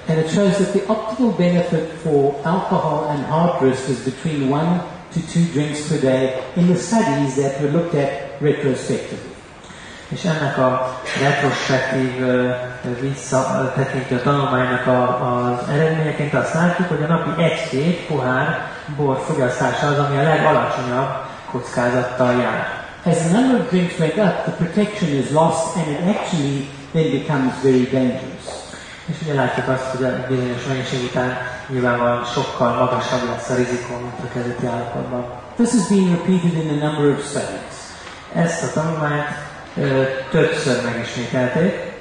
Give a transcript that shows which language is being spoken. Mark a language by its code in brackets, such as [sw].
[en] And it shows that the optimal benefit for alcohol and heart risk is between 1 to 2 drinks per day in the studies that were looked at retrospectively. [hu] És ennek a retrospektív visszatekintő tanulmánynak az eredményeként azt látjuk, hogy a napi 1-2 pohár bor fogyasztása az, ami a legalacsonyabb kockázattal jár. [en] As the number of drinks make up, the protection is lost and it actually then becomes very dangerous. [hu] És ugye látjuk azt, hogy a bizonyos mennyiség után nyilvánvalóan sokkal magasabb lesz a rizikó, mint a kezdeti állapotban. [en] This has been repeated in a number of studies. [hu] Ezt a tanulmányt többször megismételték.